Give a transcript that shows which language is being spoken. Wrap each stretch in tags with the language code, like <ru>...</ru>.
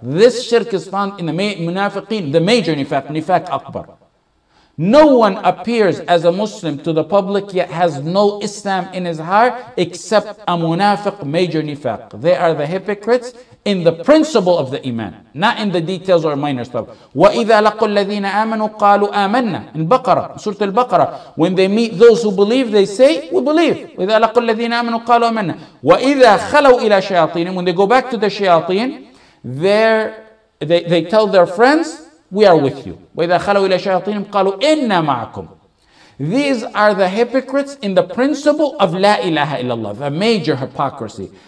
<en>This shirk is found in the Munaafiqeen, the major nifaq, Nifaaq Akbar. No one appears as a Muslim to the public yet has no Islam in his heart except a Munaafiq, major nifaq. They are the hypocrites in the principle of the Iman, not in the details or minor stuff.</en> <ar>وَإِذَا لَقُوا الَّذِينَ آمَنُوا قَالُوا آمَنَّا</ar> <en>in Baqarah, Surah Al-Baqarah. When they meet those who believe, they say, we believe.</en> <ar>وَإِذَا لَقُوا الَّذِينَ آمَنُوا قَالُوا آمَنَّا وَإِذَا خَلَوْا إِلَى شَيَاطِينِ</ar> <en>when they go back to the shayateen, they tell their friends, we are with you.</en> <ar>وَإِذَا خَلَوْا إِلَى شَيَاطِينِ قَالُوا إِنَّا مَعَكُمْ.</ar> <en>These are the hypocrites in the principle of</en> <ar>لا إله إلا الله,</ar> <en>a major hypocrisy.</en>